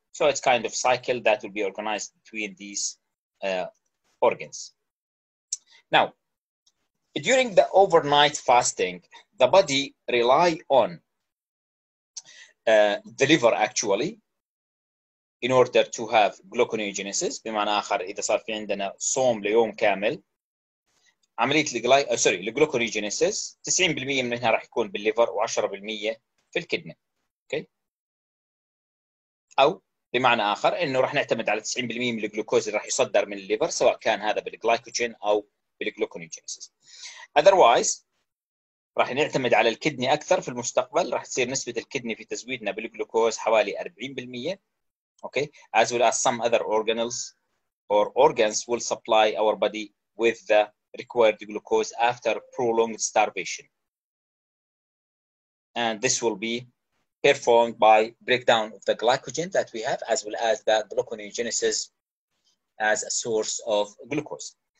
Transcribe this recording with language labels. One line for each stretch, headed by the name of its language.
English: So it's kind of cycle that will be organized between these organs. Now, during the overnight fasting, the body rely on the liver actually in order to have gluconeogenesis.
Arabic: بمعنى آخر إذا صار في عندنا صوم ليوم كامل, عملية الجلوكوريجينيسيس 90% منها راح يكون بالليفر و10% في الكدني. اوكي, او بمعنى آخر إنه راح نعتمد على 90% من الجلوكوز اللي راح يصدر من الليفر، سواء كان هذا بالجلايكوجين أو بالجلوكونيجينيسيس. Otherwise راح نعتمد على الكدني أكثر في المستقبل، راح تصير نسبة الكدني في تزويدنا بالجلوكوز حوالي 40%.
English: Okay, as well as some other organelles or organs will supply our body with the required glucose after prolonged starvation. And this will be performed by breakdown of the glycogen that we have, as well as the gluconeogenesis as a source of glucose.